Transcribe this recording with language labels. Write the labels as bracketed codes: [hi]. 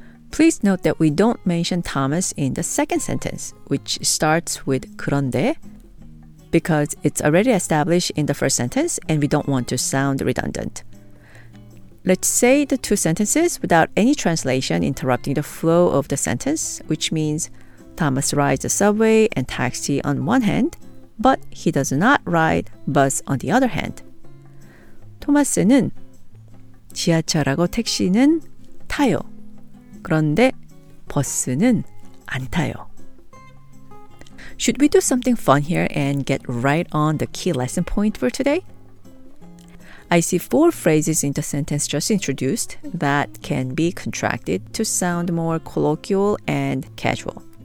[en] Please note that we don't mention Thomas in the second sentence, which starts with 그런데, because it's already established in the first sentence and we don't want to sound redundant. Let's say the two sentences without any translation interrupting the flow of the sentence, which means Thomas rides the subway and taxi on one hand, but he does not ride bus on the other hand. [ko] 토마스는 지하철하고 택시는 타요. 그런데 버스는 안 타요. [en] Should we do something fun here and get right on the key lesson point for today? I see four phrases in the sentence just introduced that can be contracted to sound more colloquial and casual.